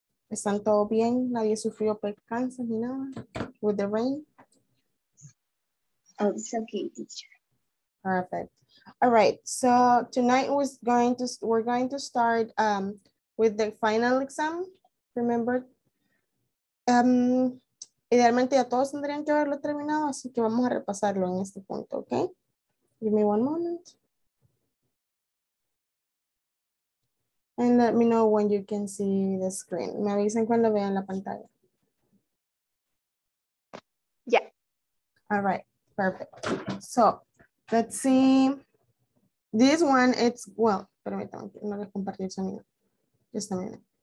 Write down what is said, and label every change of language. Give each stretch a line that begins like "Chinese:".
Spanish: ¿Están todo bien? ¿Nadie sufrió percances ni nada?
English: With the rain? Oh, it's okay, teacher. Perfect. All right, so tonight we're going to start with the final exam, remember?
Spanish: Idealmente ya todos tendrían que haberlo terminado, así que vamos a repasarlo en este punto, okay?
English: Give me one moment. And let me know when you can see the screen.
Spanish: Me avisen cuando vean la pantalla.
English: Yeah. All right, perfect. So, let's see. This one, it's, well,
Spanish: permítanme, no les compartí el sonido.
English: Just a minute.